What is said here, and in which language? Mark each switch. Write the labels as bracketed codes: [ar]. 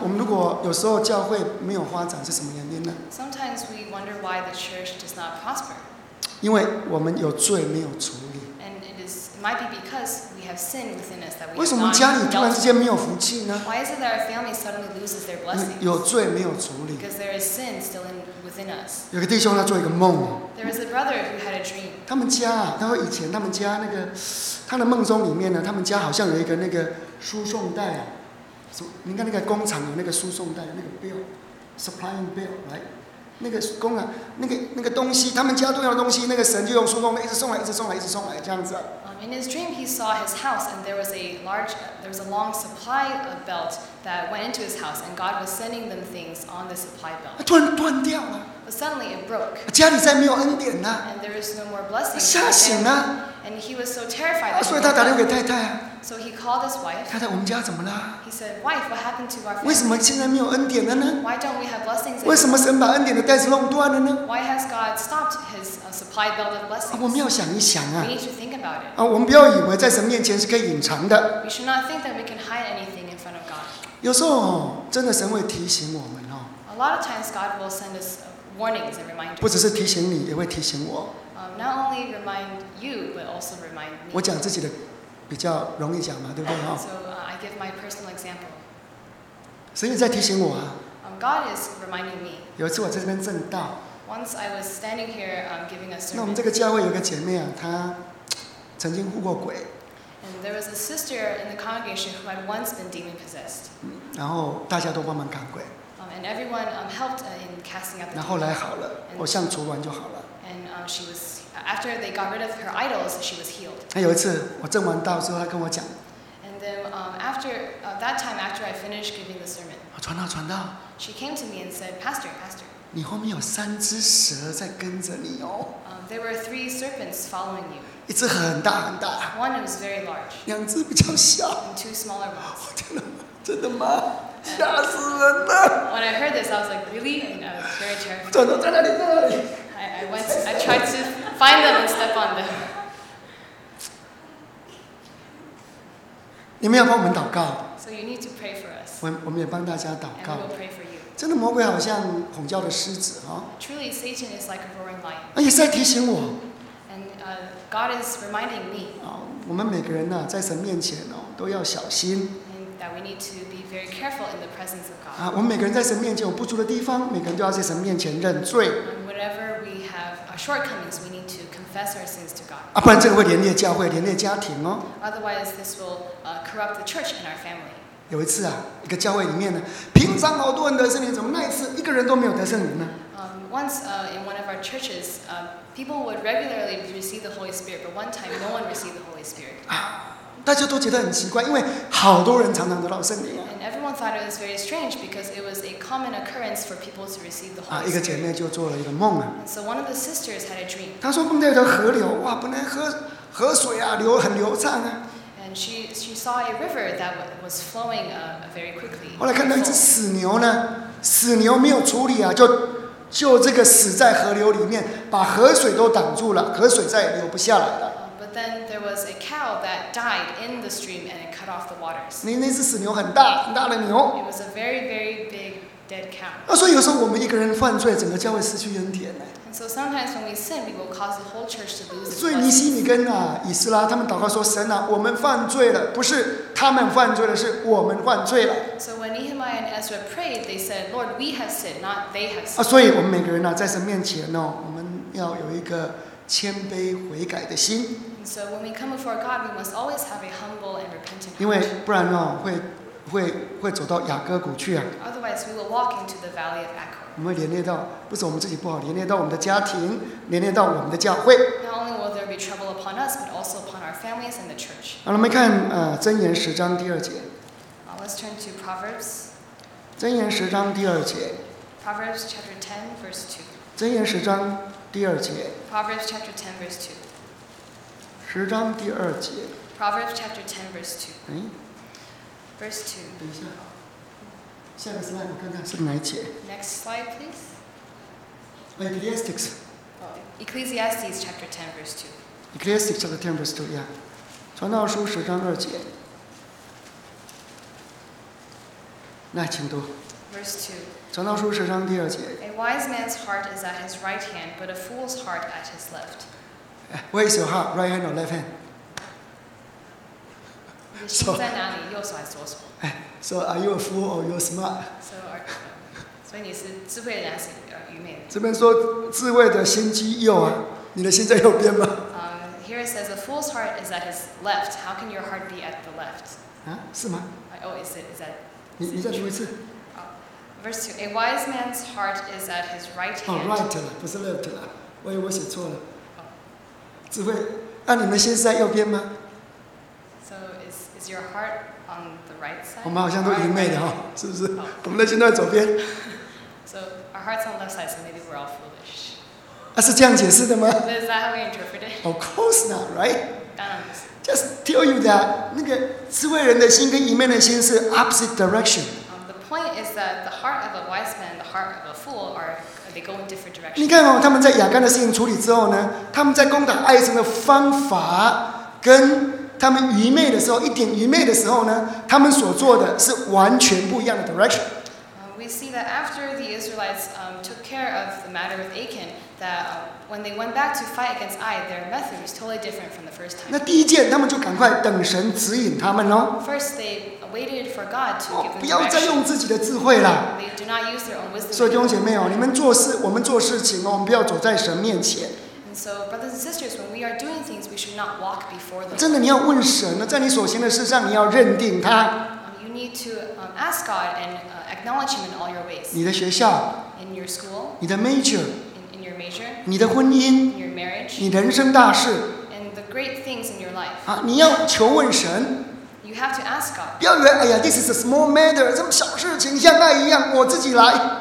[zh] 我们如果有时候教会没有发展是什么原因呢 [en] ？Sometimes we wonder why the church does not prosper。 [zh] 因为我们有罪没有处理。 [en] Might be because we have sin within us that we. [zh] 为什么家里突然之间没有福气呢 [en] ？Why is it that our family suddenly loses their blessing？ [zh] 有罪没有处理。 [en] Because there is sin still within us. [zh] 有个弟兄他做一个梦。 [en] There is a brother who had a dream. [zh] 他们家啊，他说以前他们家那个，他的梦中里面呢，他们家好像有一个那个输送带啊，你看那个工厂有那个输送带那个 bill，supplying bill， 来。那个工啊，那个东西，他们家重要的东西，那个神就用输送带一直送来，一直送来，一直送来，这样子。 [en] In his dream, he saw his house, and there was a long supply belt that went into his house, and God was sending them things on the supply belt. [zh] 突然断掉了。 [en] But suddenly it broke. [zh] 家里再没有恩典呐。 [en] And there is no more blessing. [zh] 吓醒了。 [en] And he was so terrified. [zh] 所以他打电话给太太啊。 [en] So he called his wife. [zh] 太太，我们家怎么了？ [en] He said, "Wife, what happened to our family?" [zh] 为什么现在没有恩典了呢？ [en] Why don't we have blessings? [zh] 为什么神把恩典的带子弄断了呢？ [en] Why has God stopped his supply belt of blessings? [zh] 我们要想一想啊。 [en] We need to think about it. [zh] 我们不要以为在神面前是可以隐藏的。 [en] We should not think that we can hide anything in front of God. [zh] 有时候真的神会提醒我们哦。 [en] A lot of times God will send us warnings and reminders. [zh] 不只是提醒你，也会提醒我。 [en] Not only remind you, but also remind me. [zh] 我讲自己的。比较容易讲嘛，对不对？ [en] So, I give my personal example. [zh] 神也在提醒我啊。 [en] God is reminding me. [zh] 有一次我在这边证道。 [en] Once I was standing here, giving a sermon. [zh] 那我们这个教会有个姐妹啊，她曾经护过鬼。 [en] And there was a sister in the congregation who had once been demon possessed. [zh] 然后大家都帮忙赶鬼。 [en] And everyone helped in casting out the demon. [zh] 然后来好了，偶像除完就好了。 [en] And she was. After they got rid of her idols, she was healed. [zh] 有一次我证完道之后，她跟我讲。 [en] And then after that time, after I finished giving the sermon, [zh] 传道。 [en] She came to me and said, "Pastor, Pastor." [zh] 你后面有三只蛇在跟着你哦。 [en] There were three serpents following you. [zh] 一只很大很大。 [en] One was very large. [zh] 两只比较小。 [en] And two smaller ones. [zh] 我天哪，真的吗？吓死人了。 [en] When I heard this, I was like, really? And I was very terrified. [zh] 转头在哪里？在哪里？ [en] I tried to find them and step on them. [zh] 你们要帮我们祷告。 [en] So you need to pray for us. [zh] 我们也帮大家祷告。 [en] And we will pray for you. [zh] 真的，魔鬼好像吼叫的狮子啊！ [en] Truly, Satan is like a roaring lion. [zh] 啊，也是在提醒我。 [en] And God is reminding me. [zh] 啊，我们每个人呢，在神面前哦，都要小心。 [en] And that we need to be very careful in the presence of God. [zh] 啊，我们每个人在神面前有不足的地方，每个人都要在神面前认罪。 [en] And whatever we have shortcomings, we need to confess our sins to God. [zh] 啊，不然这个会连累教会，连累家庭哦。 [en] Otherwise, this will corrupt the church and our family. [zh] 有一次啊，一个教会里面呢，平常好多人得圣灵，怎么那一次一个人都没有得圣灵呢？ [en] Once in one of our churches, people would regularly receive the Holy Spirit, but one time no one received the Holy Spirit. [zh] 啊，大家都觉得很奇怪，因为好多人常常得到圣灵。 [en] And everyone thought it was very strange because it was a common occurrence for people to receive the Holy Spirit. [zh] 啊，一个姐妹就做了一个梦啊。 [en] So one of the sisters had a dream. [zh] 她说梦到一条河流，哇，本来河水啊流很流畅啊。 [en] And she saw a river that was flowing very quickly. [zh] 后来看到一只死牛呢，死牛没有处理啊，就这个死在河流里面，把河水都挡住了，河水再也流不下来了。 [en] But then there was a cow that died in the stream and it cut off the waters. [zh] 那只死牛很大很大的牛。 [en] It was a very very big dead cow. [zh] 啊，所以有时候我们一个人犯罪，整个教会失去恩典呢。 [en] So sometimes when we sin, we will cause the whole church to lose. [zh] 所以尼西米跟啊以斯拉他们祷告说：“神啊，我们犯罪了，不是他们犯罪了，是我们犯罪了。” [en] So when Nehemiah and Ezra prayed, they said, "Lord, we have sinned, not they have sinned." [zh] 啊，所以我们每个人呢、啊，在神面前呢、哦，我们要有一个谦卑悔改的心。 [en] So when we come before God, we must always have a humble and repentant heart. [zh] 因为不然呢、哦，会走到雅各谷去啊。 [en] Otherwise, we will walk into the valley of Echo. [zh] 我们会连累到，不是我们自己不好，连累到我们的家庭，连累到我们的教会。 [en] Not only will there be trouble upon us, but also upon our families and the church. [zh] 好，我们看箴言十章第二节。 [en] Let's turn to Proverbs. [zh] 箴言十章第二节。 [en] Proverbs chapter 10 verse 2. [zh] 箴言十章第二节。 [en] Proverbs chapter 10 verse 2. [zh] 十章第二节。 [en] Proverbs chapter 10 verse 2. 哎。 Verse 2. [zh] 等一下。下个 slide 我看看是哪一节。 [en] Next slide, please. Ecclesiastes. Ecclesiastes chapter 10 verse 2. Ecclesiastes chapter 10 verse 2, yeah. [zh] 传道书十章二节。那请读。 [en] Verse 2. [zh] 传道书十章第二节。 [en] A wise man's heart is at his right hand, but a fool's heart at his left. Where is your heart, right hand or left hand? [zh] 你心在哪里，右手还是左手？ [en] So are you a fool or you're smart? So are. [zh] 所以你是智慧的还是愚昧的？这边说智慧的心机右啊，你的心在右边吗？ [en] Here it says a fool's heart is at his left. How can your heart be at the left? [zh] 啊，是吗？ [en] Oh, is it? Is that? [zh] 你再读一次。 [en] Verse 2, a wise man's heart is at his right hand. Oh, right [zh] 了，不是 left 了，我以为我写错了。智慧，那你们心是在右边吗？ [en] So is your heart? On the right side, [zh] 我们好像都愚昧的哈、 [en] right? [zh] 哦，是不是？Oh. 我们的心都在左边。 [en] So our hearts on the left side, so maybe we're all foolish. [zh] 啊，是这样解释的吗？ [en] Is that how we interpret it? Of course not, right? [zh] 当然不是。 [en] Just tell you that [zh] 那个智慧人的心跟愚昧的心是 [en] opposite direction. The point is that the heart of a wise man, the heart of a fool, they go in different directions. [zh] 你看哦，他们在亚干的事情处理之后呢，他们在攻打爱神的方法跟。他们愚昧的时候，一点愚昧的时候呢，他们所做的是完全不一样的 direction。 [en] We see that after the Israelites took care of the matter with Achan, that when they went back to fight against Ai, their method was totally different from the first time. [zh] 那第一件，他们就赶快等神指引他们喽。 [en] First, they waited for God to give them. [zh] 不要再用自己的智慧了。 [en] They do not use their own wisdom. [zh] 所以弟兄姐妹哦，你们做事，我们做事情哦，我们不要走在神面前。 [en] So, brothers and sisters, when we are doing things, we should not walk before them. [zh] 真的，你要问神呢，在你所行的事上，你要认定他。 [en] You need to ask God and acknowledge Him in all your ways. [zh] 你的学校。 [en] In your school. [zh] 你的 major. [en] In your major. [zh] 你的婚姻。 [en] In your marriage. [zh] 你人生大事。 [en] And the great things in your life. [zh] 啊，你要求问神。 [en] You have to ask God. [zh] 不要以为，哎呀 ， [en] this is a small matter， [zh] 这么小事情，像爱一样，我自己来。